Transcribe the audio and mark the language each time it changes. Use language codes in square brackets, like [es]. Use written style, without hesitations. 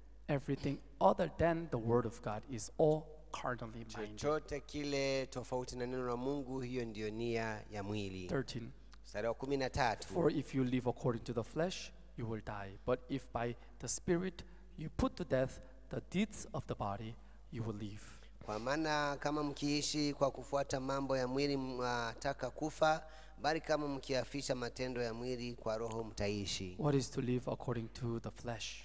[en] Everything other than the word of God is all carnally minded. [sw] Chochote kile tofauti na neno la Mungu, hiyo ndio nia ya mwili. [en] 13. For if you live according to the flesh, you will die. But if by the Spirit you put to death the deeds of the body, you will live. [sw] Kwa maana kama mkiishi kwa kufuata mambo ya mwili mtaka kufa, bali kama mkiafisha matendo ya mwili kwa roho mtaishi. [en] What is to live according to the flesh?